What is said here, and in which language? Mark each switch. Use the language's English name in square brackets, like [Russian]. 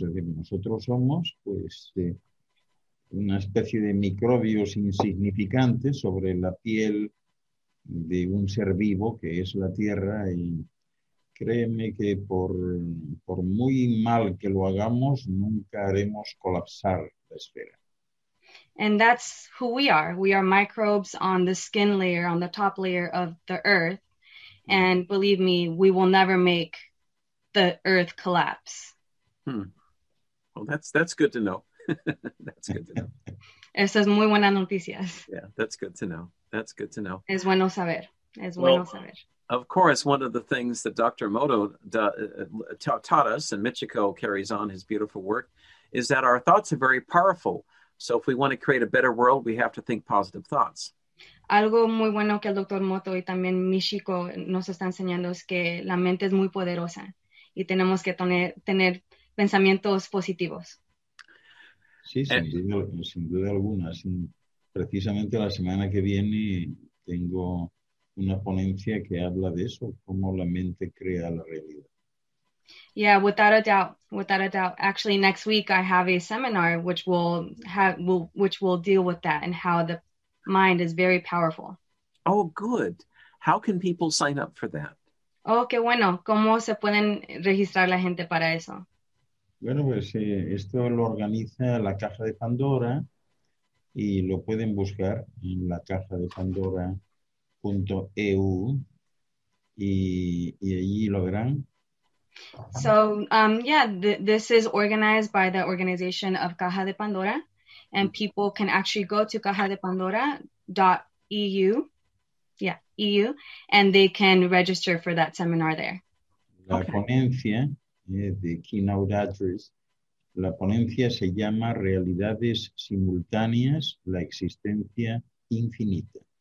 [Spanish] Es decir, nosotros somos pues una especie de microbios insignificantes sobre la piel de un ser vivo que es la tierra. Y créeme que por muy mal que lo hagamos, nunca haremos colapsar. [English] And that's who we are. We are microbes on the skin layer, on the top layer of the earth. And believe me, we will never make the earth collapse. Hmm. Well, that's good to know. That's good to know. [Spanish] Esas muy buenas noticias. [English] Yeah, that's good to know. That's good to know. [Spanish] Es bueno saber. Es bueno saber. [English] Of course, one of the things that Dr. Moto taught us, and Michiko carries on his beautiful work, is that our thoughts are very powerful. So if we want to create a better world, we have to think positive thoughts. [Spanish] Algo muy bueno que el Dr. Moto y también Michiko nos está enseñando es que la mente es muy poderosa y tenemos que tener pensamientos positivos. Sí, sin duda alguna. Precisamente la semana que viene tengo una ponencia que habla de eso, cómo la mente crea la realidad. [English] Yeah, without a doubt, without a doubt. Actually, next week I have a seminar which will deal with that and how the mind is very powerful. Oh, good. How can people sign up for that? [Spanish] Oh, qué bueno. ¿Cómo se pueden registrar la gente para eso? Bueno, pues esto lo organiza la Caja de Pandora y lo pueden buscar en lacajadepandora.eu y allí lo verán. [English] So, this is organized by the organization of Caja de Pandora, and people can actually go to cajadepandora.eu, EU, and they can register for that seminar there. [Spanish] La ponencia de [English] keynote address, [Spanish] la ponencia se llama Realidades Simultáneas, la Existencia Infinita.